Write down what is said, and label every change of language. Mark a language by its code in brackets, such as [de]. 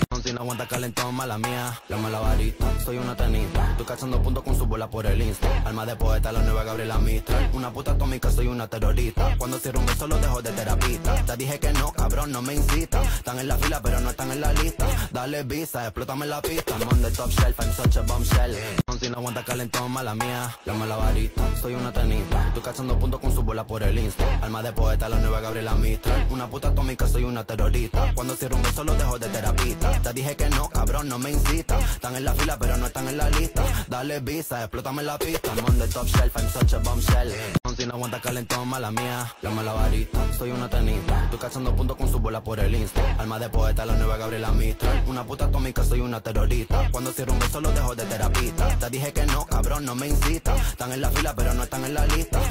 [es] Si no aguanta calentón, mala mía. La malabarista, soy una tenista. Estoy cazando puntos con su bola por el Insta. Alma de poeta, la nueva Gabriela Mistral. Una puta atómica, soy una terrorista. Cuando cierro un beso lo dejo de terapista. Te dije que no, cabrón, no me insista. Están en la fila, pero no están en la lista. Dale visa, explótame la pista. [en] I'm on the top shelf, I'm such a bombshell. [es] Si no aguanta calentón, mala mía. La malabarista, soy una tenista. Estoy cazando puntos con su bola por el Insta. Alma de poeta, la nueva Gabriela Mistral. Una puta atómica, soy una terrorista. Cuando cierro un beso lo dejo de terapista. Te dije que no, cabrón, no me insista. Están en la fila, pero no están en la lista. Dale visa, explótame la pista. [en] I'm on the top shelf, I'm such a bombshell. [es] Si no aguanta calentón, mala mía. La malabarista, soy una tenista. Estoy cazando puntos con su bola por el Insta. Alma de poeta, la nueva Gabriela Mistral. Una puta atómica, soy una terrorista. Cuando cierro un beso lo dejo de terapista. Te dije que no, cabrón, no me insista. Están en la fila, pero no están en la lista.